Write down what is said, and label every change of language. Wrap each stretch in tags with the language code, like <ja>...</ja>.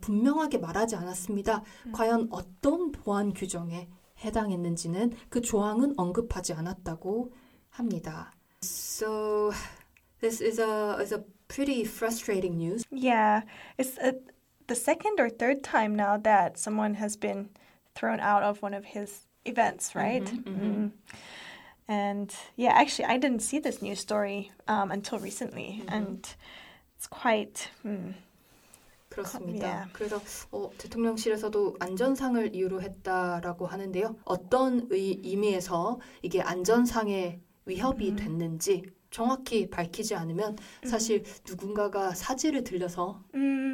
<ko>분명하게 말하지 않았습니다. 과연 어떤 보안 규정에 해당했는지는 그 조항은 언급하지 않았다고 합니다.</ko> <en>So this is a pretty frustrating news. Yeah, it's the second or third time now that someone has been thrown out of one of his events, right? Mm-hmm, mm-hmm. Mm-hmm. And yeah, actually, I didn't see this news story until recently, mm-hmm. and it's quite.</en> <ko>그렇습니다.</ko> <en>Yeah.</en> <ko>그래서 대통령실에서도 안전상을 이유로 했다라고 하는데요. 어떤 의미에서 이게 안전상의 위협이 mm-hmm. 됐는지 정확히 밝히지 않으면 사실 mm-hmm. 누군가가 사지를 들려서 mm-hmm.</ko>